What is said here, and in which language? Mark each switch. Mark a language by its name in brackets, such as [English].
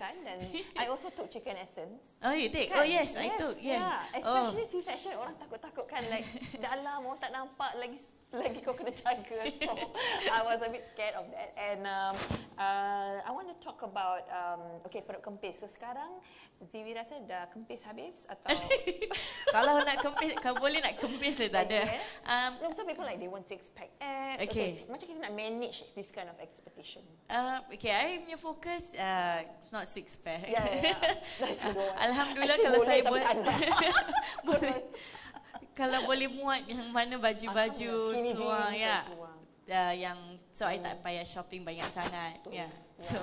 [English] Dan I also took chicken essence. Oh, you take? Kan? Oh, yes, I took. Especially C-section, [Malay] orang takut-takut kan. Like, dalam orang tak nampak lagi lagi kau kena jaga. [English] So I was a bit scared of that. And I want to talk about okay, [Malay] perut kempis. So sekarang Ziwi rasa dah kempis habis atau kalau nak kempis, kau boleh nak kempis dah tak ada. Yeah. [English] No, some people like they want six pack abs. Okay, [Malay] macam kita nak [English] manage this kind of expectation. Okay, I punya focus not six pack. Yeah, yeah, yeah. [Arabic] Alhamdulillah. [English] Actually, [Malay] kalau boleh, saya boleh. Kalau boleh muat yang mana baju-baju semua, ya, yang so I tak payah shopping banyak sangat, ya. Yeah. So